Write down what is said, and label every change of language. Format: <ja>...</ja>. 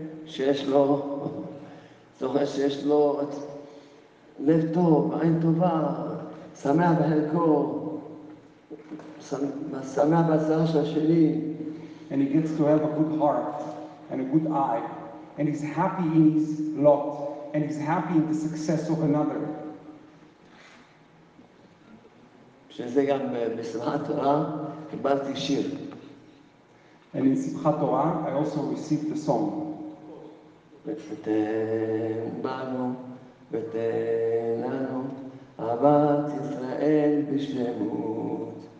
<he>שיש לו לב טוב, עין טובה, שמח בחלקו, שמח בהצלחה של השני.</he> <en>And he gets to have a good heart and a good eye, and he's happy in his lot, and he's happy in the success of another.</en> <he>שזה גם בשמחת תורה, קיבלתי שיר.</he> <en>And in שמחת תורה, I also received the song.</en> <he>ותן בנו, ותן לנו, אהבת ישראל בשלמות.</he>